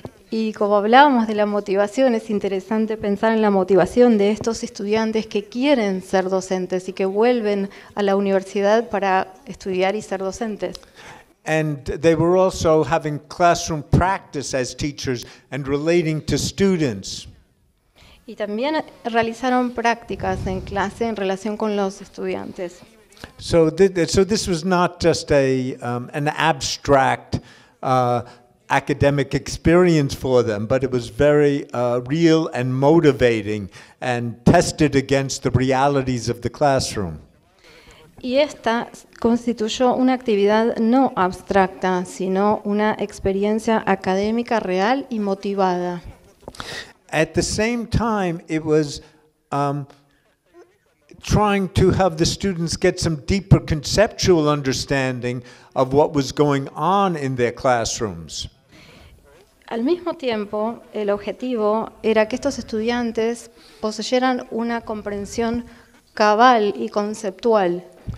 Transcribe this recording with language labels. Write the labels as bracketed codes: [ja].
[es] Y como hablábamos de la motivación, es interesante pensar en la motivación de estos estudiantes que quieren ser docentes y que vuelven a la universidad para estudiar y ser docentes. [en] And they were also having classroom practice as teachers and relating to students. [es] Y también realizaron prácticas en clase en relación con los estudiantes. [en] So this was not just an abstract academic experience for them, but it was very real and motivating and tested against the realities of the classroom. [es] Y esta constituyó una actividad no abstracta, sino una experiencia académica real y motivada. [en] At the same time, it was trying to have the students get some deeper conceptual understanding of what was going on in their classrooms. [es] Al mismo tiempo, el objetivo era que estos estudiantes poseyeran una comprensión cabal y conceptual.